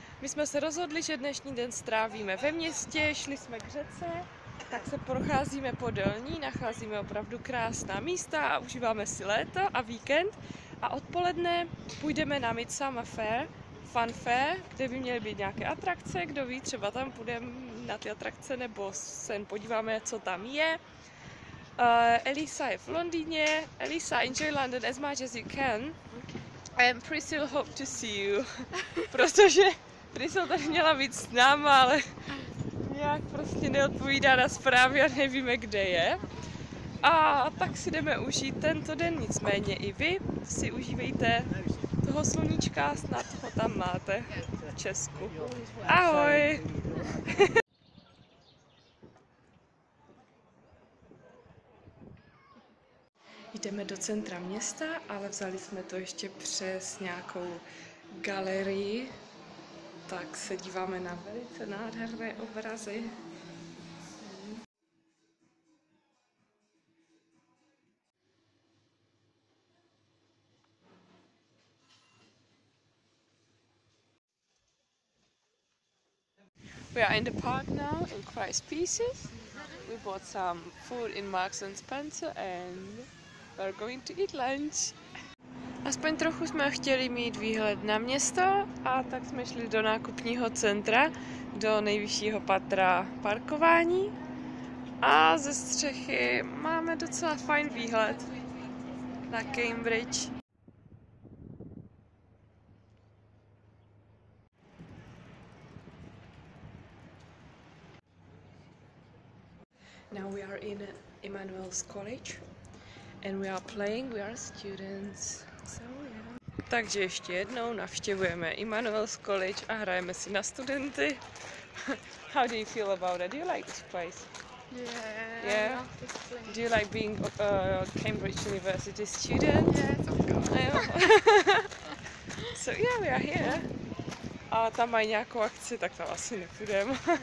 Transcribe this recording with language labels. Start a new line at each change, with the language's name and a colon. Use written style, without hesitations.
Czech: My jsme se rozhodli, že dnešní den strávíme ve městě, šli jsme k řece, tak se procházíme podél ní, nacházíme opravdu krásná místa a užíváme si léto a víkend. A odpoledne půjdeme na Midsummer Fair, Fun Fair, kde by měly být nějaké atrakce, kdo ví, třeba tam půjdeme na ty atrakce nebo se podíváme, co tam je. Elisa je v Londýně.
English: Elisa, enjoy London as much as you can. And Priscil, hope to see you.
Czech: Protože Priscil tady měla být s náma, ale nějak prostě neodpovídá na zprávy a nevíme, kde je. A tak si jdeme užít tento den, nicméně i vy si užívejte toho sluníčka, snad ho tam máte v Česku. Ahoj! Jdeme do centra města, ale vzali jsme to ještě přes nějakou galerii. tak se díváme na velice nádherné obrazy.
English: We are in the park now in Christ Pieces. We bought some food in Marks and Spencer and we're going to eat lunch.
Czech: Aspoň trochu jsme chtěli mít výhled na město a tak jsme šli do nákupního centra, do nejvyššího patra parkování. A ze střechy máme docela fajn výhled na Cambridge.
English: Now we are in Emmanuel's College and we are playing, we are students.
Czech: Takže ještě jednou navštěvujeme Emmanuel's College a hrajeme si na studenty.
English: How do you feel about it? Do you like this place? Yeah, yeah? I love this place. Do you like being a Cambridge University student? Yeah, it's okay. So yeah, we are here.
Czech: Ale tam mají nějakou akci, tak tam asi nepůjdeme.